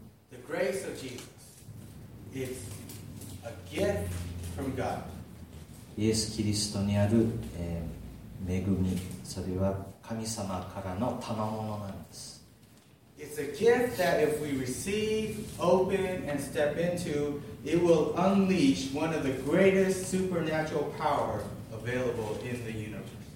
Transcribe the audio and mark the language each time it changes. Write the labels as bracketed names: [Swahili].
[English] The grace of Jesus is a gift from God. [Japanese] イエス・キリストにある、恵み、それは神様からの賜物なんです。 [English] It's a gift that if we receive, open and step into, it will unleash one of the greatest supernatural power available in the universe.